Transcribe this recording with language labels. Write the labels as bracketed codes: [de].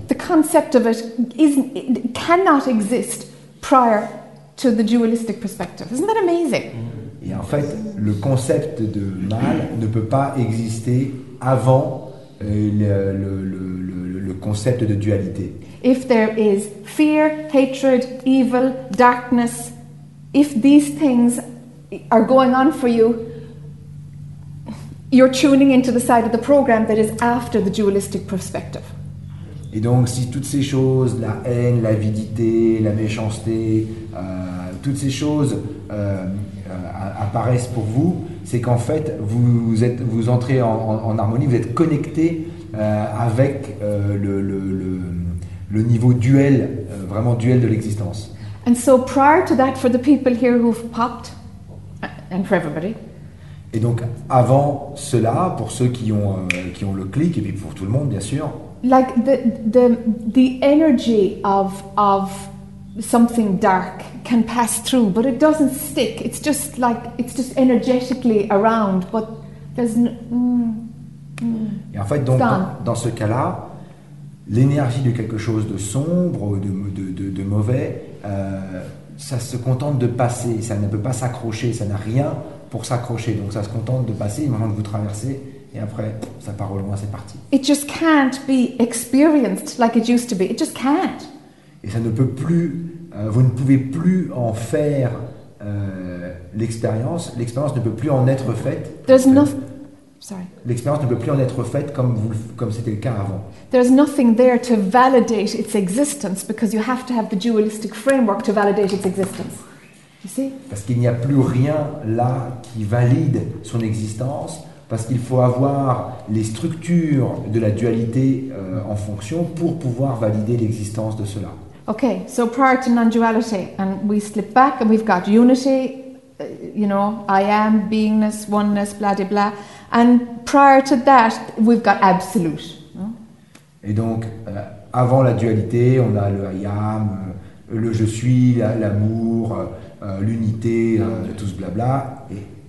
[en] The concept of it cannot exist prior to the dualistic perspective. Isn't that amazing? [fr] Et en fait, le concept de mal ne peut pas exister avant le concept de dualité. [en] If there is fear, hatred, evil, darkness, if these things are going on for you, you're tuning into the side of the program that is after the dualistic perspective. [fr] Et donc, si toutes ces choses, la haine, l'avidité, la méchanceté, toutes ces choses apparaissent pour vous, c'est qu'en fait, vous entrez en harmonie, vous êtes connecté avec le niveau duel, vraiment duel de l'existence. [en] And so, prior to that, for the people here who've popped, and for everybody. [fr] Et donc avant cela, pour ceux qui ont le clic, et puis pour tout le monde, bien sûr. [en] Like the energy of something dark can pass through, but it doesn't stick. It's just like it's just energetically around, but there's no. [fr] Et en fait, donc dans ce cas-là, l'énergie de quelque chose de sombre, de mauvais. Ça se contente de passer, ça ne peut pas s'accrocher, ça n'a rien pour s'accrocher. Donc ça se contente de passer, au moment de vous traverser, et après, ça part au loin, c'est parti. [en] It just can't be experienced like it used to be. It just can't. [fr] Et ça ne peut plus vous ne pouvez plus en faire l'expérience. L'expérience ne peut plus en être faite. L'expérience ne peut plus en être faite comme vous, comme c'était le cas avant. [en] There's nothing there to validate its existence because you have to have the dualistic framework to validate its existence. You see? [fr] Parce qu'il n'y a plus rien là qui valide son existence. Parce qu'il faut avoir les structures de la dualité en fonction pour pouvoir valider l'existence de cela. [en] Okay, so prior to non-duality, and we slip back and we've got unity, you know, I am, beingness, oneness, blah, blah, blah. And prior to that, we've got absolute. [fr] Et donc, avant la dualité, on a le [en] I am, [fr] le je suis, l'amour, l'unité, tout ce blabla, et...